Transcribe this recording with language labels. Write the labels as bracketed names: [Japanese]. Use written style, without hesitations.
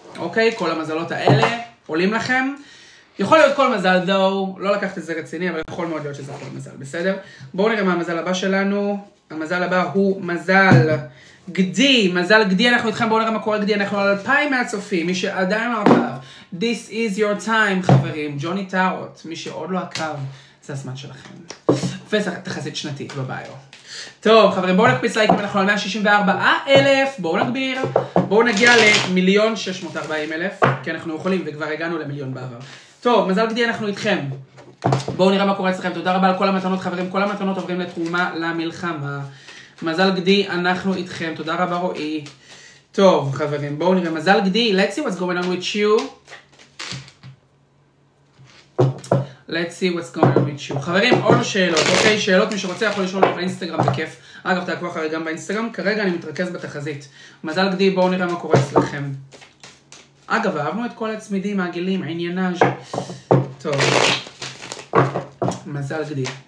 [Hebrew] אוקיי, כל המזלות האלה עולים לכם. יכול להיות כל מזל, though, לא לקחת את זה רציני, אבל יכול מאוד להיות שזה כל מזל, בסדר? בואו נראה מה המזל הבא שלנו. המזל הבא הוא מזל גדי. מזל גדי, אנחנו איתכם, בואו נראה מה קורה גדי. אנחנו על 2,000 מהצופים, מי שעדיין לא עקב. [English] This is your time, חברים. [Hebrew] ג'וני טארוט, מי שעוד לא עקב, זה הזמן שלכם. וזה תחזית שנתית בביו. טוב, חברים, בואו נקפיץ לייקים, אנחנו על 164,000, בואו נגביר, בואו נגיע ל-1,640,000, כי אנחנו יכולים, וכבר הגענו למיליון בעבר. טוב, מזל גדי, אנחנו איתכם. בואו נראה מה קורה אצלכם, תודה רבה על כל המתנות, חברים, כל המתנות עוברים לתרומה למלחמה. מזל גדי, אנחנו איתכם, תודה רבה רועי. טוב, חברים, בואו נראה, מזל גדי, [English] let's see what's going on with you. Let's see what's going on with you. [Hebrew] חברים, עוד שאלות. אוקיי, שאלות, מי שרוצה יכול לשאול לי באינסטגרם, בכיף. אגב, תעקבו אחרי גם באינסטגרם. כרגע אני מתרכז בתחזית. מזל גדי, בואו נראה מה קורה אצלכם. אגב, אהבנו את כל הצמידים, העגילים, עניינאז'. טוב. מזל גדי.